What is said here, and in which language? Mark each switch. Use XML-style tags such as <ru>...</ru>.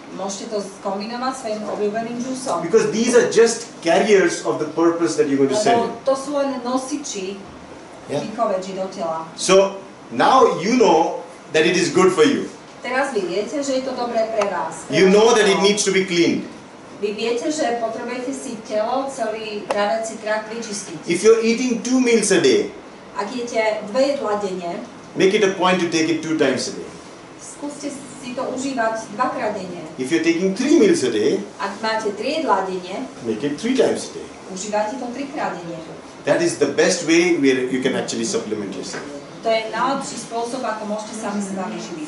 <sk>Môžete to skombinovať svojim obľúbeným juiceom.</sk> <en>Because these are just carriers of the purpose that you're going to send.</en> <sk>To sú len nosiči, mycoveggie do tela.</sk> <en>So now you know that it is good for you.</en> <sk>Teraz vy viete, že je to dobré pre vás.</sk> <en>You know that it needs to be cleaned.</en> <sk>Vy viete, že potrebujete si telo, celý trávací trakt vyčistiť.</sk> <en>If you're eating two meals a day,</en> <sk>ak jete dve jedlá denne,</sk> <en>make it a point to take it two times a day.</en> <sk>Skúste si to užívať dvakrát denne.</sk> <en>If you're taking three meals a day,</en> <sk>ak máte tri jedlá denne,</sk> <en>make it three times a day.</en> <sk>Užívajte to trikrát denne.</sk> <en>That is the best way where you can actually supplement yourself.</en> <sk>To je najlepší spôsob, ako môžete sami sa vyživiť.</sk>